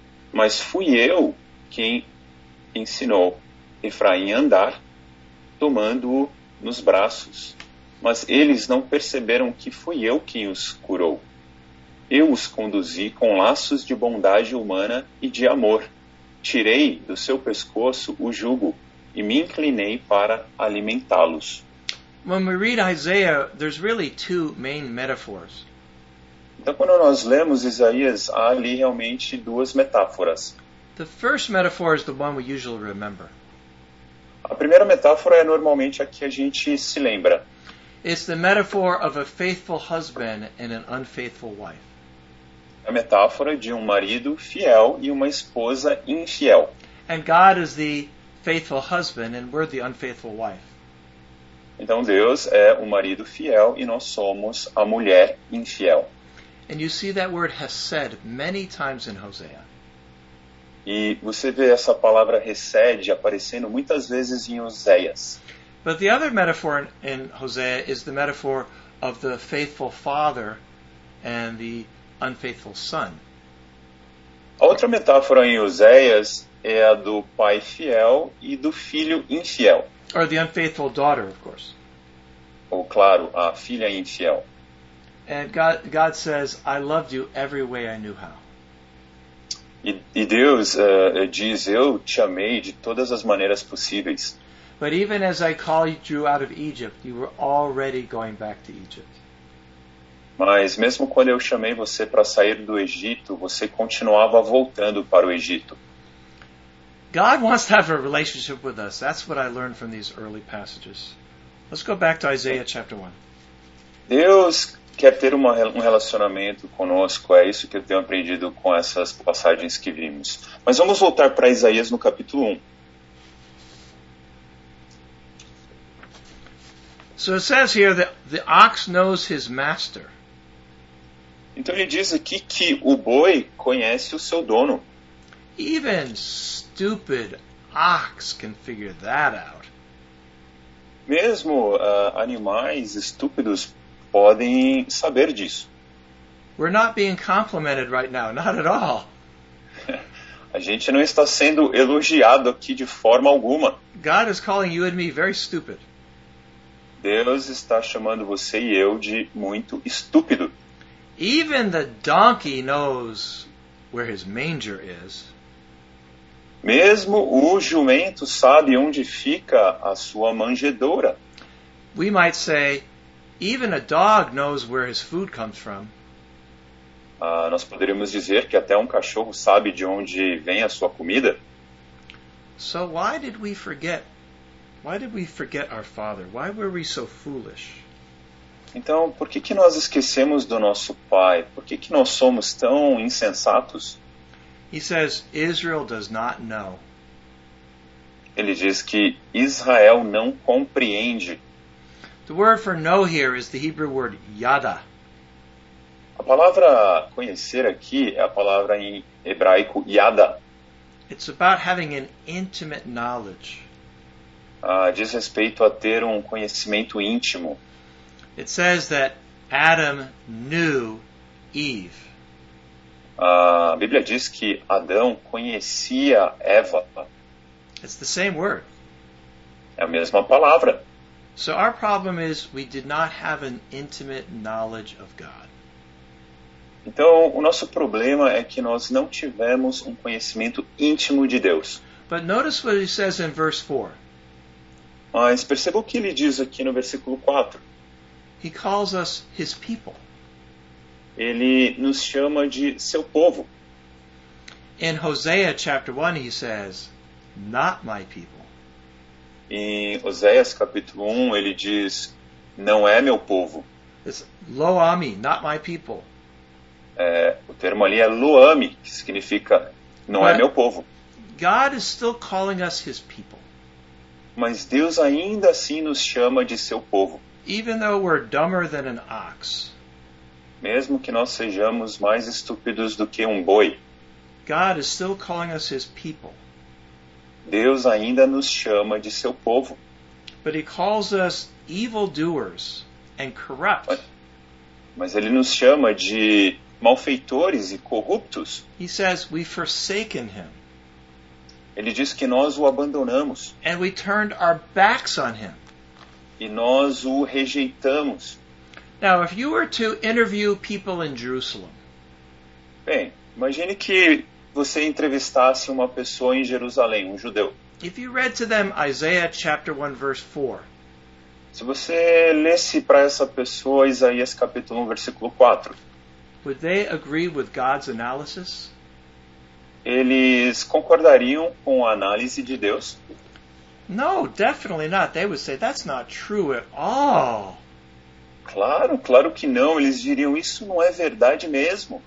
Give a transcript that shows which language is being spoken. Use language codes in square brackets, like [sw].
[pt] Mas fui eu quem ensinou Efraim a andar, tomando-o nos braços. Mas eles não perceberam que fui eu quem os curou. Eu os conduzi com laços de bondade humana e de amor. Tirei do seu pescoço o jugo e me inclinei para alimentá-los. [en] When we read Isaiah, there's really two main metaphors. [pt] Então, quando nós lemos Isaías, há ali realmente duas metáforas. [en] The first metaphor is the one we usually remember. [pt] A primeira metáfora é normalmente a que a gente se lembra. [en] It's the metaphor of a faithful husband and an unfaithful wife. [pt] A metáfora de um marido fiel e uma esposa infiel. [en] And God is the faithful husband and we're the unfaithful wife. [pt] Então Deus é o marido fiel e nós somos a mulher infiel. [en] And you see that word hesed many times in Hosea. [pt] E você vê essa palavra hesed aparecendo muitas vezes em Oséias. [en] But the other metaphor in Hosea is the metaphor of the faithful father and the unfaithful son. [pt] A outra metáfora em Oséias é a do pai fiel e do filho infiel. [en] Or the unfaithful daughter, of course. [pt] Ou, claro, a filha infiel. [en] And God says, I loved you every way I knew how. [pt] E Deus diz, eu te amei de todas as maneiras possíveis. [en] But even as I called you out of Egypt, you were already going back to Egypt. [pt] Mas mesmo quando eu chamei você para sair do Egito, você continuava voltando para o Egito. [en] God wants to have a relationship with us. That's what I learned from these early passages. Let's go back to Isaiah chapter 1. [pt] Deus quer ter um relacionamento conosco. É isso que eu tenho aprendido com essas passagens que vimos. Mas vamos voltar para Isaías no capítulo 1. [en] So it says here that the ox knows his master. [pt] Então ele diz aqui que o boi conhece o seu dono. [en] Even stupid ox can figure that out. [pt] Mesmo animais estúpidos podem saber disso. [en] We're not being complimented right now, not at all. [pt] A gente não está sendo elogiado aqui de forma alguma. [en] God is calling you and me very stupid. [pt] Deus está chamando você e eu de muito estúpido. [en] Even the donkey knows where his manger is. [pt] Mesmo o jumento sabe onde fica a sua manjedoura. [en] We might say, even a dog knows where his food comes from. [pt] Nós poderíamos dizer que até um cachorro sabe de onde vem a sua comida. [en] So why did we forget? Why did we forget our father? Why were we so foolish? [pt] Então, por que nós esquecemos do nosso pai? Por que nós somos tão insensatos? [en] He says, Israel does not know. [pt] Ele diz que Israel não compreende. [en] The word for know here is the Hebrew word yada. [pt] A palavra conhecer aqui é a palavra em hebraico yada. [en] It's about having an intimate knowledge. [pt] Diz respeito a ter um conhecimento íntimo. [en] It says that Adam knew Eve. [pt] A Bíblia diz que Adão conhecia Eva. [en] It's the same word. [pt] É a mesma palavra. [en] So our problem is we did not have an intimate knowledge of God. [pt] Então, o nosso problema é que nós não tivemos um conhecimento íntimo de Deus. [en] But notice what he says in verse 4. [pt] Mas perceba o que ele diz aqui no versículo 4. [en] He calls us his people. [pt] Ele nos chama de seu povo. [en] In Hosea chapter 1 he says, not my people. [pt] Em Oséias capítulo 1 ele diz, não é meu povo. [en] It's Lo-ami, not my people. [pt] O termo ali é Lo-ami, que significa não [en] But [pt] é meu povo. [en] God is still calling us his people. [pt] Mas Deus ainda assim nos chama de seu povo. [en] Even though we're dumber than an ox. [pt] mesmo que nós sejamos mais estúpidos do que um boi. [en] God is still calling us his people. [pt] Deus ainda nos chama de seu povo. [en] But he calls us evildoers and corrupt. [pt] Mas ele nos chama de malfeitores e corruptos. [en] He says we've forsaken him. [pt] Ele diz que nós o abandonamos. [en] And we turned our backs on him. [pt] E nós o rejeitamos. [en] Now, if you were to interview people in Jerusalem. [pt] Bem, imagine que você entrevistasse uma pessoa em Jerusalém, um judeu. [en] If you read to them Isaiah chapter 1 verse 4. [pt] Se você lesse para essa pessoa Isaías capítulo 1 versículo 4. [en] Would they agree with God's analysis? [pt] Eles concordariam com a análise de Deus? [en] No, definitely not. They would say that's not true at all. [pt] Claro, claro que não. Eles diriam isso não é verdade mesmo.